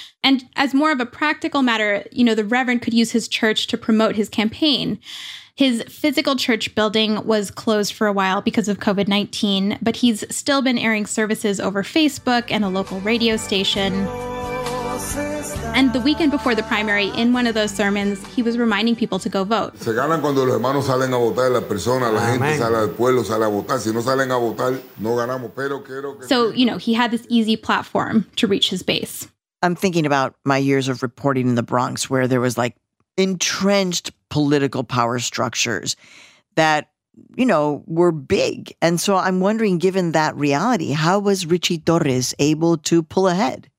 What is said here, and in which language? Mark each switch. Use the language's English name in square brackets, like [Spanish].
[English] And as more of a practical matter, you know, the Reverend could use his church to promote his campaign. His physical church building was closed for a while because of COVID-19, but he's still been airing services over Facebook and a local radio station. Oh, And the weekend before the primary, in one of those sermons, he was reminding people to go vote. [Spanish] Se ganan cuando los hermanos salen a votar, las personas, la gente sale al pueblo, sale a votar. Si no salen a votar, no ganamos. Pero quiero que... [English] So, you know, he had this easy platform to reach his base. I'm thinking about my years of reporting in the Bronx, where there was like entrenched political power structures that, you know, were big. And so I'm wondering, given that reality, how was Ritchie Torres able to pull ahead?